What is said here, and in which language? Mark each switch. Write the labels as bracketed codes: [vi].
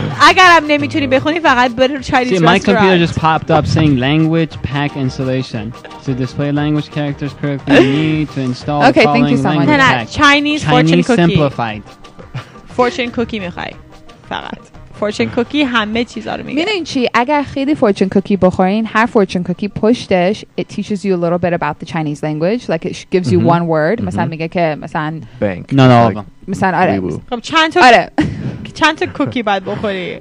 [fa] اگرم نمیتونی بخونی فقط برو چینی رستوران. [en] See, my computer just popped up saying language pack installation. To display language characters correctly, you need to install the following language pack. Chinese fortune cookie. Chinese simplified. [fa] Fortune cookie میخوای فقط. فورچن کوکی همه چیزا رو میگه. میدونین چی؟ اگر خیلی فورچن کوکی بخورین، هر فورچن کوکی پشتش [en] it teaches you a little bit about the Chinese language. Like it gives you one word. [fa] مثلا میگه که مثلا [en] bank. No. [fa] مثلا آره. خب چند تا کوکی باید بخوری؟